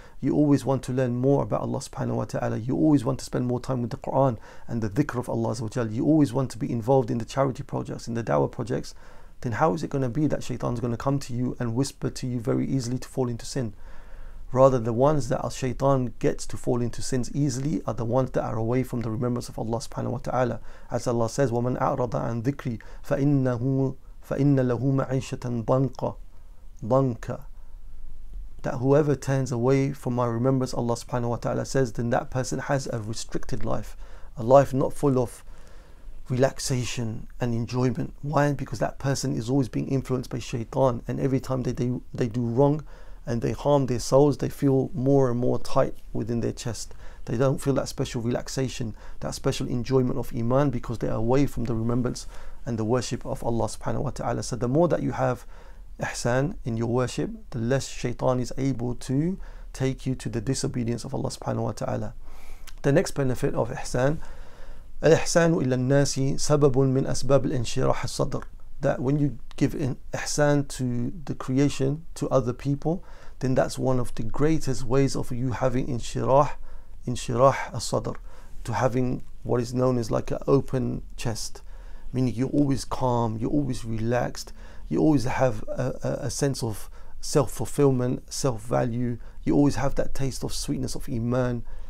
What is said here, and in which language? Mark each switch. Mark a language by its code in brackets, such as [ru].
[en] You always want to learn more about Allah subhanahu wa ta'ala. You always want to spend more time with the Quran and the dhikr of Allah azza wa jal. You always want to be involved in the charity projects, in the dawah projects. Then how is it going to be that shaitan is going to come to you and whisper to you very easily to fall into sin? Rather, the ones that al shaytan gets to fall into sins easily are the ones that are away from the remembrance of Allah subhanahu wa ta'ala. As Allah says, [ar] وَمَنْ أَعْرَضَ عَنْ ذِكْرِي فَإِنَّ لَهُ مَعِيشَةً ضَنْكَ. [en] That whoever turns away from my remembrance, Allah subhanahu wa ta'ala says, then that person has a restricted life, a life not full of relaxation and enjoyment. Why? Because that person is always being influenced by shaitan, and every time they do wrong and they harm their souls, they feel more and more tight within their chest. They don't feel that special relaxation, that special enjoyment of iman, because they are away from the remembrance and the worship of Allah subhanahu wa ta'ala. So the more that you have ihsan in your worship, the less shaitan is able to take you to the disobedience of Allah subhanahu wa ta'ala. The next benefit of ihsan, [ar] الإحسان إلى الناس سبب من أسباب الانشراح الصدر. [en] That when you give in ihsan to the creation, to other people, then that's one of the greatest ways of you having [ar] انشراح الصدر, [en] to having what is known as like an open chest, meaning you're always calm, you're always relaxed, you always have a sense of self-fulfillment, self-value, you always have that taste of sweetness of iman.